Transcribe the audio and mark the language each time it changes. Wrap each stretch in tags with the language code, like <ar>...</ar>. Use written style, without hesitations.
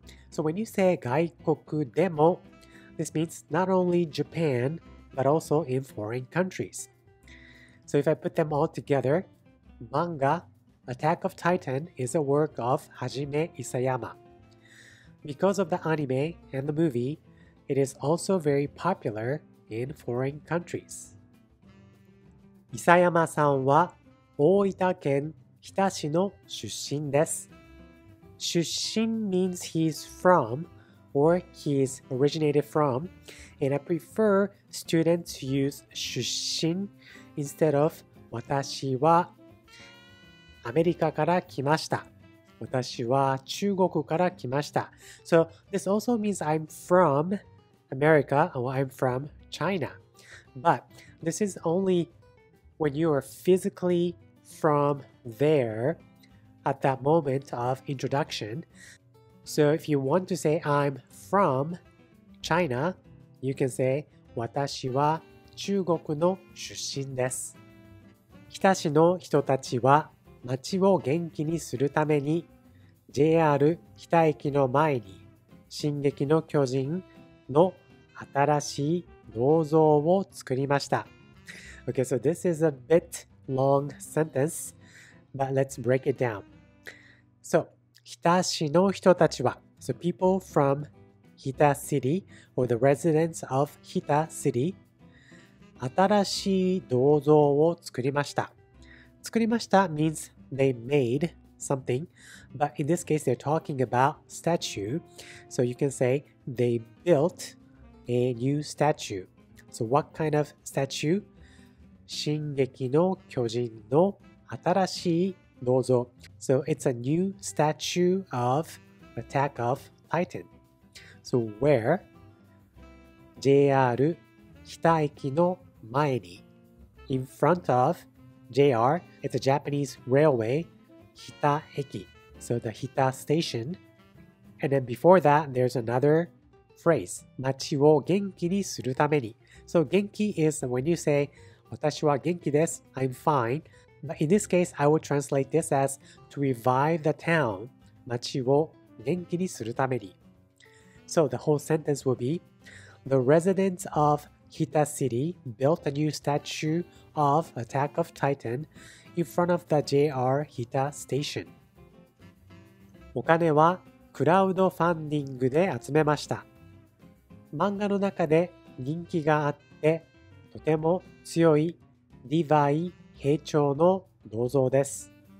<en>So when you say</en> <ja>外国でも,</ja> <en>this means not only Japan, but also in foreign countries. So if I put them all together, 漫画 Attack of Titan is a work of はじめ諫山. Because of the anime and the movie, it is also very popular in foreign countries.</en> <ja>諫山さんは大分県日田市の出身です。</ja> <en>出身 means he's from or he's originated from, and I prefer students use 出身 instead of</en> <ja>私はアメリカから来ました。私は中国から来ました。</ja> <en>So this also means I'm from America or I'm from China. But this is only when you are physically from there. At that moment of introduction. So if you want to say I'm from China, you can say</en> <ja>私は中国の出身です。日田市の人たちは町を元気にするために JR 日田駅の前に進撃の巨人の新しい銅像を作りました。</ja> <en>Okay, so this is a bit long sentence, but let's break it down. So,</en> <ja>日田市の人たちは</ja> <en>So, people from 日田 city or the residents of 日田 city</en> <ja>新しい銅像を作りました。</ja> <en>作りました means they made something, but in this case they're talking about statue. So, you can say they built a new statue. So, what kind of statue?</en> <ja>進撃の巨人の新しい銅像。</ja> <en>So it's a new statue of Attack of Titan. So where? JR</en> <ja>北駅の前に。</ja> <en>In front of JR, it's a Japanese railway, 北駅。 So the Hita station. And then before that, there's another phrase.</en> <ja>街を元気にするために。</ja> <en>So 元気 is when you say,</en> <ja>私は元気です。</ja> <en>I'm fine. But in this case, I would translate this as to revive the town.</en> <ja>街を元気にするために。</ja> <en>So the whole sentence will be, the residents of Hita City built a new statue of Attack of Titan in front of the JR Hita station.</en> <ja>お金はクラウドファンディングで集めました。漫画の中で人気があって、とても強いディヴァイ兵長の銅像です。</ja>